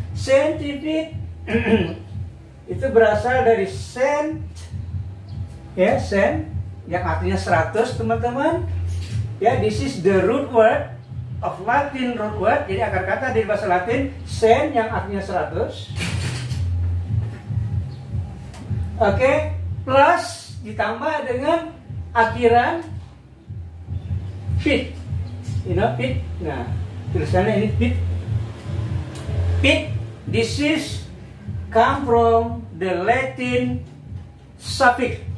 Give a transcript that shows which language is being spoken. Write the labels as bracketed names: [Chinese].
[Indonesian] Centipede itu berasal dari cent, ya, cent, yang artinya 100, teman-teman. [English] Ya, this is the root word of Latin root word. [Indonesian] Jadi akar kata dari bahasa Latin cent yang artinya 100. Oke, okay. Plus ditambah dengan akhiran pit. [English] You know pit? [Indonesian] Nah, tulisannya ini pit. [English] Pit, this is come from the Latin suffix.